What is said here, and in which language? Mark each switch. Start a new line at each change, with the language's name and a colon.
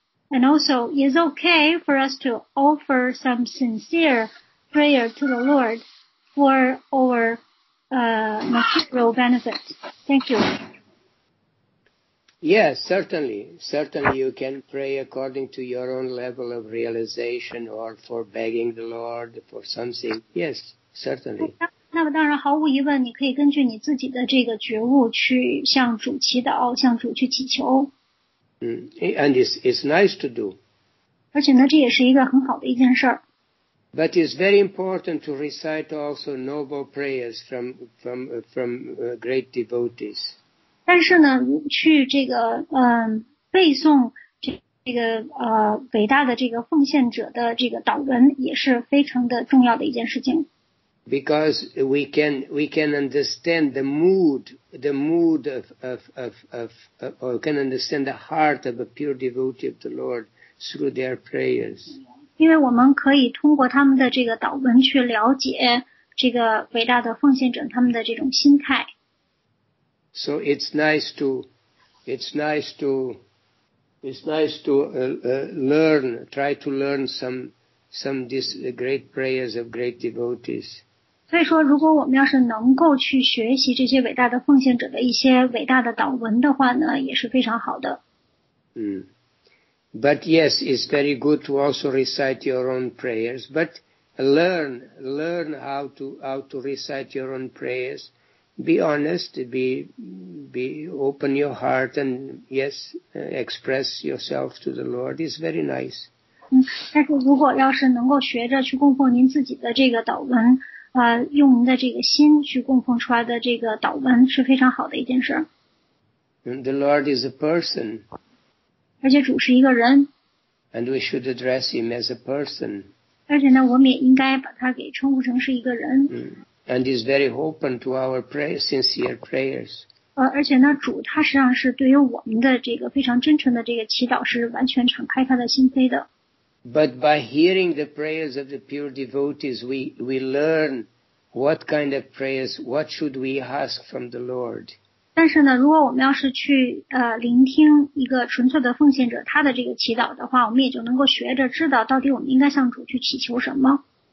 English: And also, it's okay for us to offer some sincere prayer to the Lord for our material benefit. Thank you. Yes, certainly. Certainly you can pray according to your own level of realization or for begging the Lord for something. Yes, certainly.
Chinese: 那么当然毫无疑问你可以根据你自己的这个觉悟去向主祈祷向主去祈求。
English: And it's nice to do.
Chinese: 而且呢，这也是一个很好的一件事儿。
English: But it's very important to recite also noble prayers from great devotees.
Chinese: 但是呢，去这个背诵这个伟大的这个奉献者的这个祷文也是非常的重要的一件事情。
English: Because we can understand the mood of, or can understand the heart of a pure devotee of the Lord through their prayers.
Chinese: 因为我们可以通过他们的这个祷文去了解这个伟大的奉献者他们的这种心态。
English: So it's nice to try to learn some these great prayers of great devotees.
Chinese: 所以说如果我们要是能够去学习这些伟大的奉献者的一些伟大的祷文的话呢也是非常好的。
English: But yes, it's very good to also recite your own prayers, but learn how to recite your own prayers. Be honest, be open your heart and yes, express yourself to the Lord. It's very nice.
Chinese: 但是如果要是能够学着去供奉您自己的这个祷文用您的这个心去供奉出来的这个祷文是非常好的一件事。
English: The Lord is a person.
Chinese: 而且主是一个人。
English: And we should address him as a person.
Chinese: 而且呢我们也应该把他给称呼成是一个人。
English: and is very open to our sincere prayers.
Chinese: 而且呢，主他实际上是对于我们的这个非常真诚的这个祈祷是完全敞开他的心扉的。
English: But by hearing the prayers of the pure devotees, we learn what kind of prayers, what should we ask from the Lord.
Chinese: 但是呢，如果我们要是去聆听一个纯粹的奉献者他的这个祈祷的话，我们也就能够学着知道到底我们应该向主去祈求什么。